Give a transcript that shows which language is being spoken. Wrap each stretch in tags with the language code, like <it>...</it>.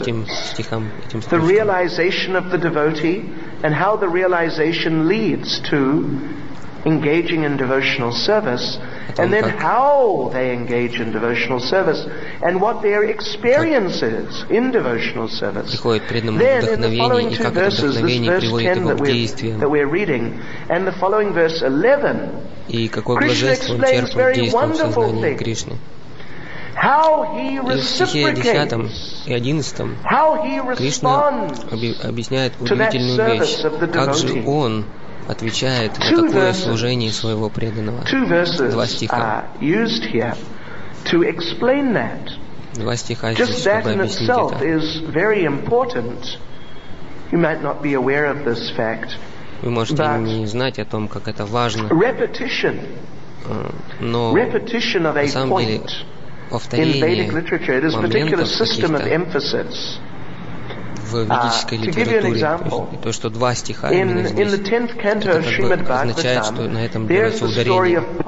<ru>Этим стихам, этим</ru> <en>the realization of the devotee and how the realization leads to engaging in devotional service, and then how they engage in devotional service and what their experience is in devotional service.</en> <ru>Приходит преданному вдохновение, и как это вдохновение приводит его к действиям.</ru> <en>That we're reading, and the following verse 11.</en> <ru>И какое блаженство он черпает в действиях в сознании Кришны.</ru> <en>How he reciprocates. How he responds.</en> <ru>Объясняет удивительную вещь. Как же он отвечает на такое служение своего преданного. Два стиха.</ru> <en>Used here to explain that.</en> <ru>Два стиха здесь, чтобы объяснить это.</ru> <en>Just that in itself is very important. You might not be aware of this fact.</en> <ru>Вы можете не знать о том, как это важно.</ru> <en>Repetition.</en> <ru>Но</ru> <en>repetition of a point.</en> <ru>Повторение.</ru> <en>In Vedic literature, it is a particular system of emphasis.</en> <ru>В ведической литературе,</ru> <en>example,</en> <ru>то, что два стиха именно здесь, это как бы означает, что на этом делается ударение.</ru>